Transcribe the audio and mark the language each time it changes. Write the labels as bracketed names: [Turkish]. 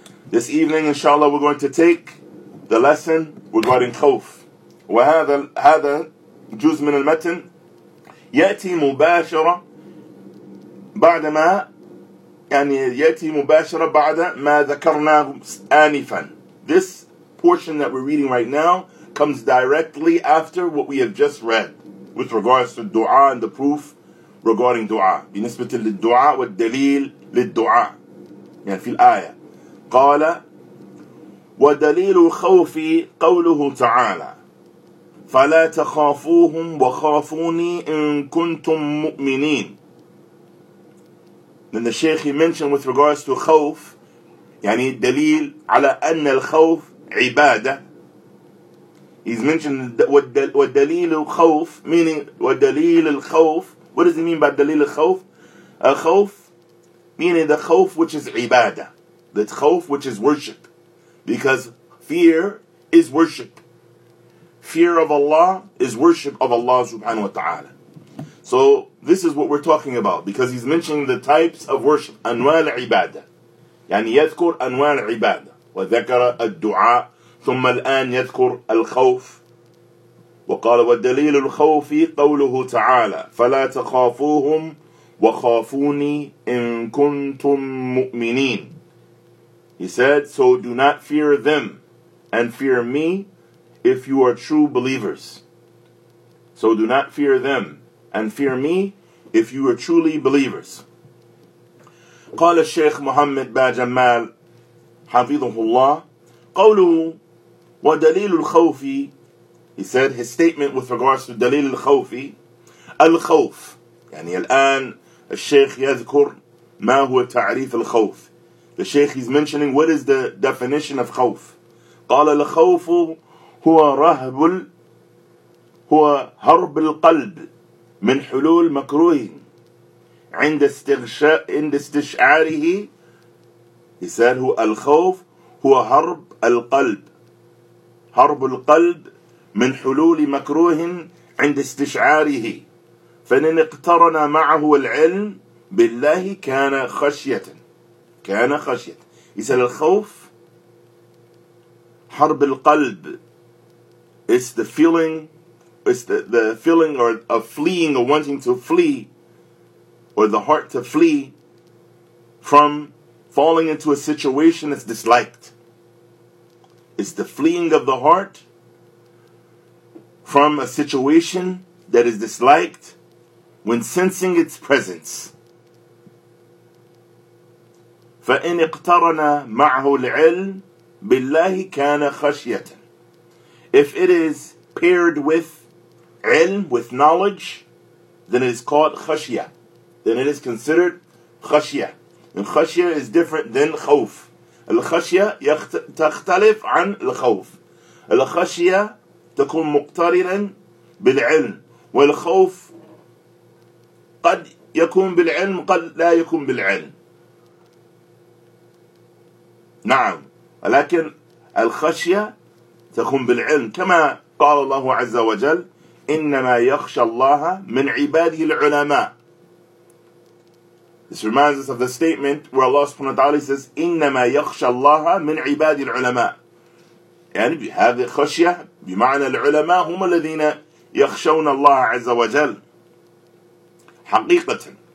[English] This evening, inshallah, we're going to take the lesson regarding خوف. [Arabic] وهذا جزء من المتن يأتي مباشرة بعدما يعني يأتي مباشرة بعد ما ذكرنا آنفا. [English] This portion that we're reading right now comes directly after what we have just read with regards to dua and the proof regarding dua. [Arabic] بالنسبة للدعاء والدليل للدعاء يعني في الآية قال ودليل خوفي قوله تعالى فَلَا تَخَافُوهُمْ وَخَافُونِي إِن كُنْتُم مُؤْمِنِينَ. [English] Then the Shaykh, he mentioned with regards to khawf, [Arabic] يعني الدليل على أن الخوف عبادة. [English] He's mentioned [Arabic] والدليل الخوف, meaning والدليل الخوف. [English] What does he mean by دليل الخوف? الخوف, meaning the khawf which is عبادة. The khawf which is worship. Because fear is worship. Fear of Allah is worship of Allah subhanahu wa ta'ala. So this is what we're talking about, because he's mentioning the types of worship. [Arabic] Anwal ibadah. يعني يذكر أنوال عبادة. وذكر الدعاء ثم الآن يذكر الخوف. وقال والدليل الخوف قوله تعالى فلا تخافوهم وخافوني إن كنتم مؤمنين. [English] He said, so do not fear them and fear me if you are true believers. So do not fear them and fear me if you are truly believers. [Arabic] قال الشيخ محمد بن جمال حفظه الله قوله ودليل الخوف. [English] He said his statement with regards to دليل الخوف. [Arabic] الخوف يعني الآن الشيخ يذكر ما هو تعريف الخوف. [English] The Sheikh is mentioning what is the definition of خوف. [Arabic] قال الخوف هو رهب هو هرب القلب من حلول مكروه عند استغشاء عند استشعاره. [English] He said [Arabic] هو الخوف هو هرب القلب هرب القلب من حلول مكروه عند استشعاره فإن اقترن معه العلم بالله كان خشية كان خشية. [English] He said [Arabic] الخوف حرب القلب [English] is the feeling is the feeling or of fleeing or wanting to flee or the heart to flee from falling into a situation that's disliked. It's the fleeing of the heart from a situation that is disliked when sensing its presence. [Arabic] فَإِنْ اِقْتَرَنَا مَعْهُ الْعِلْمِ بِاللَّهِ كَانَ خَشْيَةً. [English] If it is paired with ilm, with knowledge, then it is called khashya. Then it is considered khashya. And khashya is different than khawf. [Arabic] الخشية تختلف عن الخوف. الخشية تكون مقترنا بالعلم والخوف قد يكون بالعلم قد لا يكون بالعلم. نعم ولكن الخشية تكون بالعلم كما قال الله عز وجل إنما يخشى الله من عباده العلماء. [English] This reminds us of the statement where Allah subhanahu wa ta'ala says, [Arabic] إِنَّمَا يَخْشَى اللَّهَ مِنْ عِبَادِ الْعُلَمَاءِ. يعني بهذه خشية بمعنى العلماء هم الذين يخشون الله عز وجل حقيقة.